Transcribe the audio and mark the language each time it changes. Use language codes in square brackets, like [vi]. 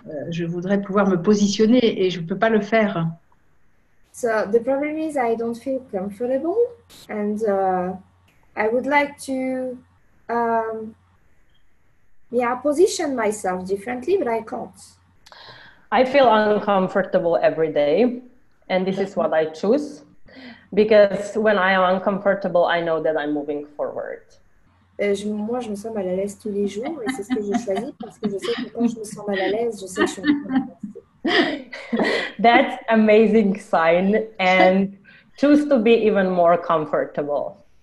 [fr] Je voudrais pouvoir me positionner et je peux pas le faire. [en] So the problem is I don't feel comfortable and I would like to position myself differently, but I can't. I feel uncomfortable every day, and this is what I choose. Because when I am uncomfortable, I know that I'm moving forward. [fr] Moi, je me sens mal à l'aise tous les jours, et c'est ce que je choisis parce que je sais que quand je me sens mal à l'aise, je sais que je suis en train d'avancer. [en] That's an amazing sign, and choose to be even more comfortable.